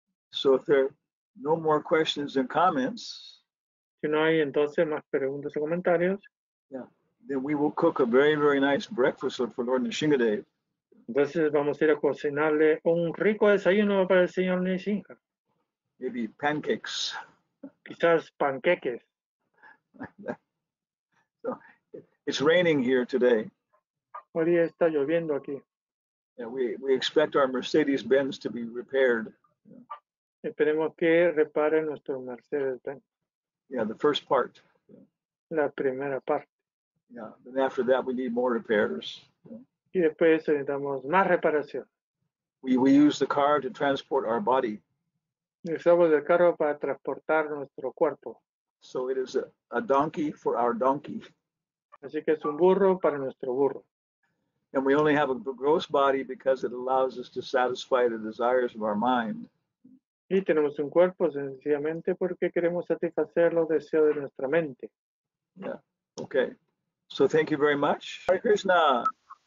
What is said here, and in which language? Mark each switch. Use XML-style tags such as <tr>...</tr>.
<en>So if there are no more questions and comments,</en> <es>si no hay entonces más preguntas o comentarios,</es> <en>yeah, then we will cook a very, very nice breakfast for Lord Nrisimhadev.</en> <es>Entonces vamos a ir a cocinarle un rico desayuno para el señor Nrisimha.</es> <en>Maybe pancakes.</en> <es>Quizás panqueques.</es> <en>So it's raining here today.</en> <es>Hoy está lloviendo aquí.</es> <en>Yeah, we expect our Mercedes-Benz to be repaired. Yeah.</en> <es>Esperemos que repare nuestro Mercedes-Benz.</es> <en>Yeah, the first part.</en> <es>La primera parte.</es> <en>Yeah, and after that we need more repairs.</en> <es>Y después necesitamos más reparación.</es> <en>We use the car to transport our body.</en> <es>Usamos el carro para transportar nuestro cuerpo.</es> <en>So it is a donkey for our donkey.</en> <es>Así que es un burro para nuestro burro.</es> <en>And we only have a gross body because it allows us to satisfy the desires of our mind.</en> <es>Y tenemos un cuerpo sencillamente porque queremos satisfacer los deseos de nuestra mente.</es> <en>Yeah. Okay. So thank you very much. Hare Krishna.</en>